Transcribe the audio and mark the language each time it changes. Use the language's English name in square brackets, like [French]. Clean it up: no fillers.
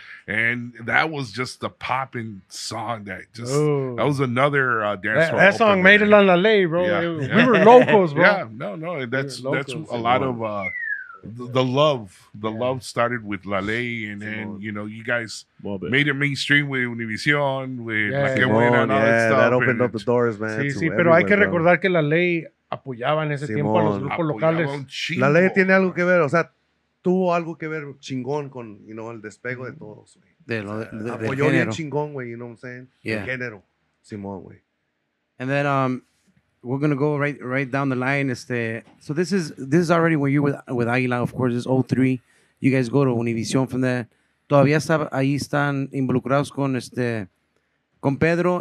[English] And that was just the popping song that was another dance song. That song made it on La Ley, bro. Yeah. We were locals, bro. Yeah, no, that's a lot of love started with La Ley, and then you know, you guys made it mainstream with Univision, with that opened up the doors, man. [Spanish] Sí, sí, pero hay que recordar que La Ley apoyaba en ese tiempo a los grupos locales. La Ley tiene algo que ver, o sea. Tuvo algo que ver chingón con, [English] you know, [Spanish] el despego de todos, güey. Apoyó bien chingón, güey, [English] you know what I'm saying? Yeah. [Spanish] El género, Simón, güey. [English] And then we're going to go right down the line. So this is already when you were with Aguila, of course, it's 03. You guys go to Univision from there. [Spanish] Todavía ahí están involucrados con con Pedro.